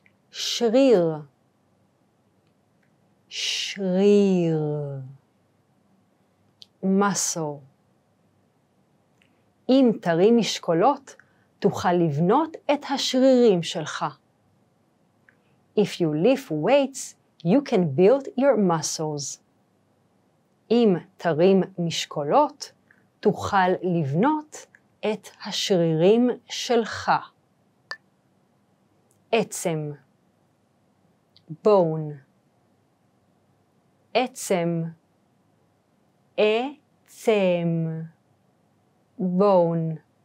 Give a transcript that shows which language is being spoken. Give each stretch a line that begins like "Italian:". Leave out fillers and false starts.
Hebrew: שריר. שריר. מסור. אם תרים משקולות, תוכל לבנות את השרירים שלך.
English: If you lift weights, you can build your muscles.
Hebrew: אם תרים משקולות, תוכל לבנות את השרירים שלך. עצם. Bone. עצם. עצם. Bone.